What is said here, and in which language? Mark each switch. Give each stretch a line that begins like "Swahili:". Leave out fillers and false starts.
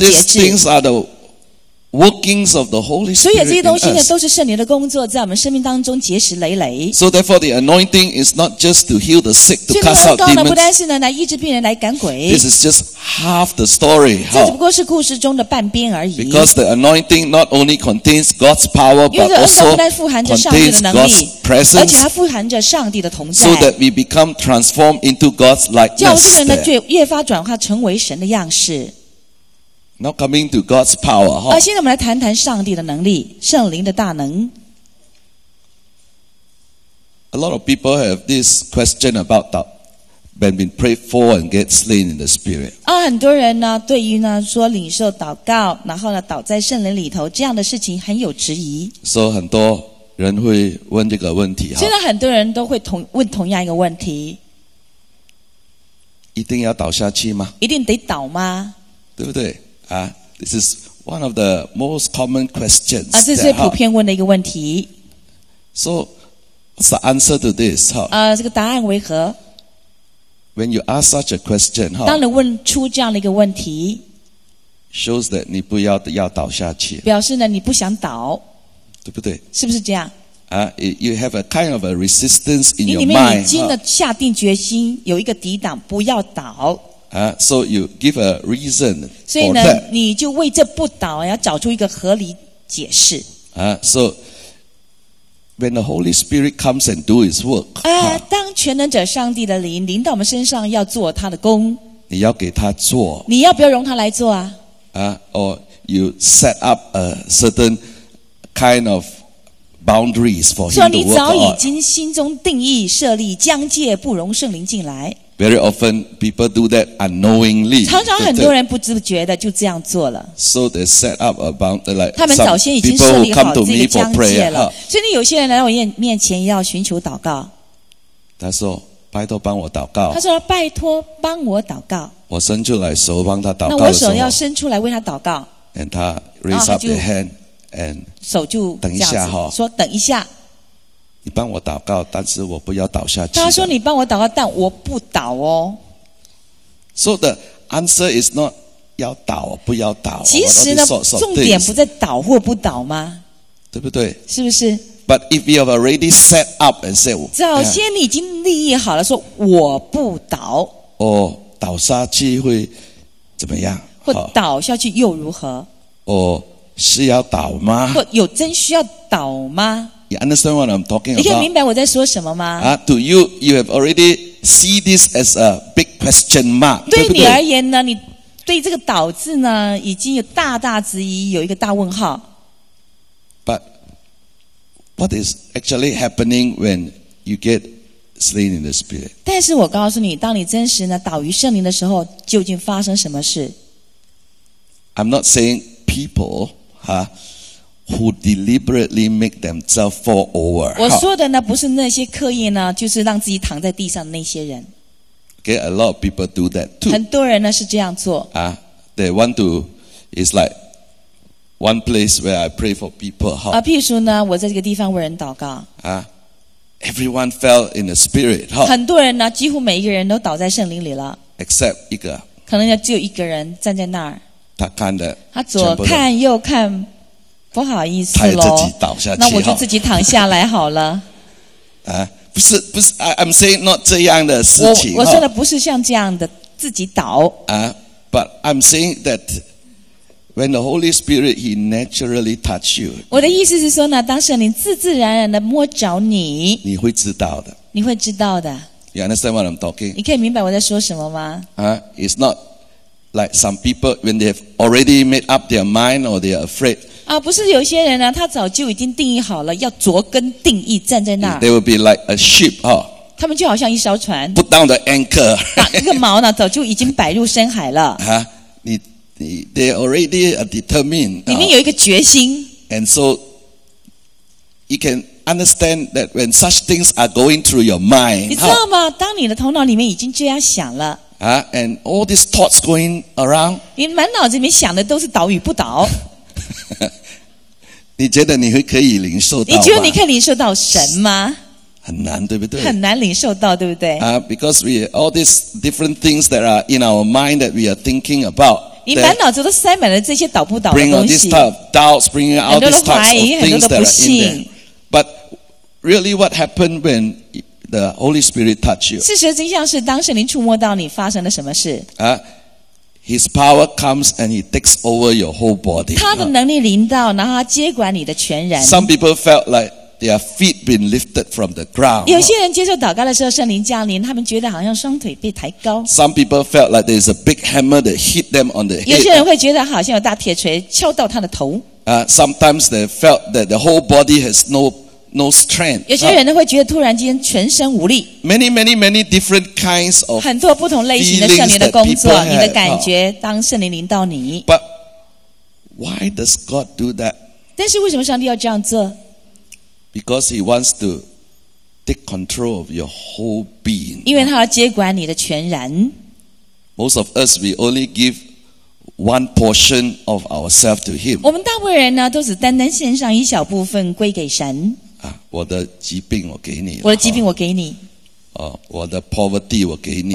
Chinese: 节制。
English: All these things are the workings of the Holy Spirit.
Chinese: 所以这些东西呢，都是圣灵的工作，在我们生命当中结实累累。
English: So therefore, the anointing is not just to heal the sick, to cast out demons.
Chinese: 这个恩膏呢，不单是呢来医治病人、来赶鬼。
English: This is just half the story.
Chinese: 这只不过是故事中的半边而已。
English: Because the anointing not only contains God's power, but also contains God's presence.
Chinese: 而且它富含着上帝的同在。
English: So that we become transformed into God's likeness.
Chinese: 叫我们这个人呢，越发转化成为神的样式。
English: Now coming to God's power,
Chinese: 现在我们来谈谈上帝的能力，圣灵的大能。
English: A lot of people have this question about that, when being prayed for and get slain in the spirit.
Chinese: 很多人呢，对于呢说领受祷告，然后呢倒在圣灵里头这样的事情很有质疑。所以很多人会问这个问题。现在很多人都会问同样一个问题： 一定要倒下去吗？一定得倒吗？对不对？
English: This is one of the most common questions.
Chinese: 这是普遍问的一个问题。
English: So, what's the answer to this?
Chinese: 这个答案为何？
English: When you ask such a question,
Chinese: 当你问出这样的一个问题，
English: shows that
Chinese: 你不要倒下去。表示呢，你不想倒。对不对？是不是这样？
English: You have a kind of a resistance in your mind.
Chinese: 你里面已经的下定决心，有一个抵挡，不要倒。
English: So you give a reason for that.
Chinese: 所以呢，你就为这不倒要找出一个合理解释。
English: So when the Holy Spirit comes and do His work.
Chinese: 当全能者上帝的灵临到我们身上要做他的工，你要给他做。你要不要容他来做啊？
English: Or you set up a certain kind of boundaries for Him to work on.
Chinese: 所以你早已经心中定义设立疆界，不容圣灵进来。
English: Very often people do that unknowingly.
Chinese: 常常很多人不自觉的就这样做了。
English: So they set up a bound, like,
Chinese: 他们早先已经设立好这个疆界了。所以你有些人来到我面前要寻求祷告。他说拜托帮我祷告。他说拜托帮我祷告。我伸出来手帮他祷告的时候。那我手要伸出来为他祷告。
English: And
Chinese: 他
English: raise up the hand, and
Chinese: 手就等一下哈。说等一下。你帮我祷告，但是我不要倒下去。他说：“你帮我祷告，但我不倒哦。”
English: So the answer is not
Chinese: 要倒不要倒，其实呢重点不在倒或不倒吗？对不对？是不是？
English: But if you have already set up and said,
Chinese: 早先你已经立意好了，说我不倒。哦，倒下去会怎么样？或倒下去又如何？哦，是要倒吗？或有真需要倒吗
English: ？You understand what I'm talking about?
Chinese: 你可以明白我在说什么吗？
English: 啊 ，Do you you have already see this as a big question mark?
Chinese: 对, 对, 对你而言呢，你对这个倒字呢，已经有大大质疑，有一个大问号。
English: What is actually happening when you get slain in the spirit?
Chinese: 但是我告诉你，当你真实呢倒于圣灵的时候，究竟发生什么事？
English: I'm not saying people, huh, who deliberately make themselves fall over.
Chinese: 我说的呢，不是那些刻意呢，就是让自己躺在地上的那些人。
English: Okay, a lot of people do that too.
Chinese: 很多人呢是这样做。
English: 啊, they want to, it's like,One place where I pray for people. How?
Chinese: 啊，譬如说呢，我在这个地方为人祷告。
English: 啊 ，everyone fell in the spirit. How?
Chinese: 很多人呢，几乎每一个人都倒在圣灵里了。
English: Except
Chinese: 一个。可能就只有一个人站在那儿。他看的。他左看右看，不好意思喽。他自己倒下去。那我就自己躺下来好了。啊，不是不是 ，
English: I'm saying not
Chinese: 这样的事情。我说的不是像这样的自己倒。
English: 啊 ，but I'm saying that. When the Holy Spirit, He naturally touched you.
Chinese: 我的意思是说呢，当圣灵自自然然的摸着你，你会知道的。你会知道的。
English: You understand what I'm talking?
Chinese: 你可以明白我在说什么吗？
English: 啊、it's not like some people when they have already made up their mind or they are afraid.
Chinese: 啊，不是有些人呢、啊，他早就已经定义好了，要着根定义站在那儿。
English: They will be like a ship, 哈、哦。
Chinese: 他们就好像一艘船。
English: Put down the anchor.
Chinese: 打一个锚呢，早就已经摆入深海了。
English: 啊，你。They already are determined.
Chinese: 里面有一个决心。
English: And so, you can understand that when such things are going through your mind.
Chinese: 你知道吗？当你的头脑里面已经这样想了。
English: 啊 ，and all these thoughts going around.
Chinese: 你满脑子里面想的都是倒与不倒。你觉得你会可以领受到吗？你觉得你可以领受到神吗？很难，对不对？很难领受到，对不对？
English: 啊 ，because we all these different things that are in our mind that we are thinking about.
Chinese: 你满脑子都塞满了这些倒不倒的东西。
English: Bring all these type of doubts, bringing all these types of things that are in there. But really, what happened when the Holy Spirit touched you?
Chinese: 事实真相是，当圣灵触摸到你，发生了什么事？
English: His power comes and he takes over your whole body.
Chinese: 他的能力临到，然后他接管你的全人。
English: Some people felt like their feet been lifted from the ground.
Chinese: 有些人接受祷告的时候，圣灵降临，他们觉得好像双腿被抬高。
English: Some people felt like there's a big hammer that hit them on the head.
Chinese: 有些人会觉得好像有大铁锤敲到他的头。
English: Sometimes they felt that the whole body has no strength.
Chinese: 有些人会觉得突然间全身无力。
English: Many different kinds of
Chinese: 很多不同类型的圣灵的工作，你的感觉当圣灵临到你。
English: But why does God do that?
Chinese: 但是为什么上帝要这样做？
English: Because he wants to take control of your whole being.
Chinese: 因为他要接管你的全然。
English: Most of us, we only give one portion of ourselves to him.
Chinese: 我们大部分人呢，都只单单献上一小部分归给神。啊，我的疾病我给你。我的疾病我给你。哦，我的
English: poverty
Chinese: 我给你。